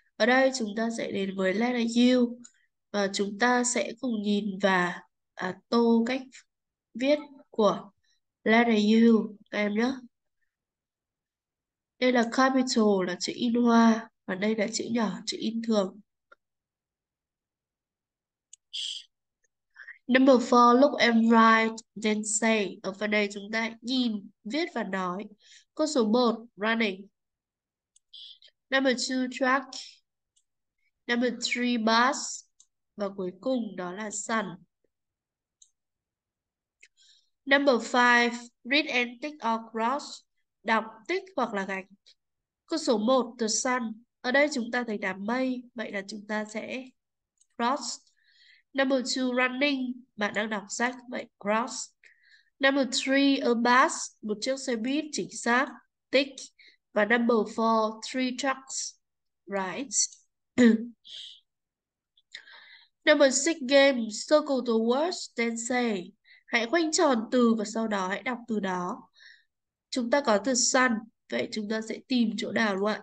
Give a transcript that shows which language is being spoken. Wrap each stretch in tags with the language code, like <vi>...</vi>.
<vi>Ở đây chúng ta sẽ đến với letter U và chúng ta sẽ cùng nhìn và tô cách viết của letter U các em nhé. Đây là capital là chữ in hoa và đây là chữ nhỏ chữ in thường.</vi> <en>Number 4, look and write, then say.</en> <vi>Ở phần này chúng ta nhìn, viết và nói. Câu số 1,</vi> <en>running. Number 2, track. Number 3, bus.</en> <vi>Và cuối cùng đó là sun.</vi> <en>Number 5, read and tick or cross.</en> <vi>Đọc, tick hoặc là gạch. Câu số 1,</vi> <en>the sun.</en> <vi>Ở đây chúng ta thấy đám mây, vậy là chúng ta sẽ cross.</vi> <en>Number 2, running.</en> <vi>Bạn đang đọc sách, vậy cross.</vi> <en>Number 3, a bus.</en> <vi>Một chiếc xe buýt, chính xác.</vi> <en>Tick. Và number 4, three trucks. Right. Number 6, game. Circle the words, then say.</en> <vi>Hãy khoanh tròn từ và sau đó hãy đọc từ đó. Chúng ta có từ sun. Vậy chúng ta sẽ tìm chỗ nào luôn.</vi>